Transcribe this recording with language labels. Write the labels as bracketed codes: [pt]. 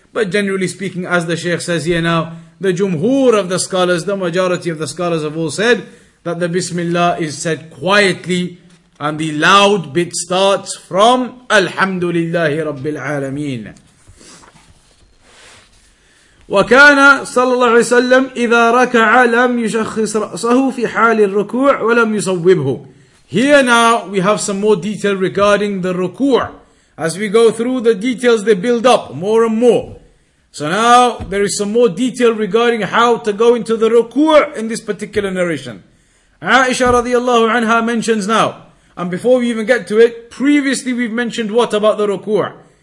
[en] But generally speaking, as the Shaykh says here now, the Jumhur of the scholars, the majority of the scholars have all said that the Bismillah is said quietly, and the loud bit starts from Alhamdulillahi Rabbil Alameen. [ar] وكان صلى الله عليه وسلم إذا ركع لم يشخص رأسه في حال الركوع ولم يصوبه. [en] Here now we have some more detail regarding the ruku'. As we go through the details, they build up more and more. So now there is some more detail regarding how to go into the ruku' in this particular narration. Aisha radiallahu anha mentions now, and before we even get to it, previously we've mentioned what about the ruku'?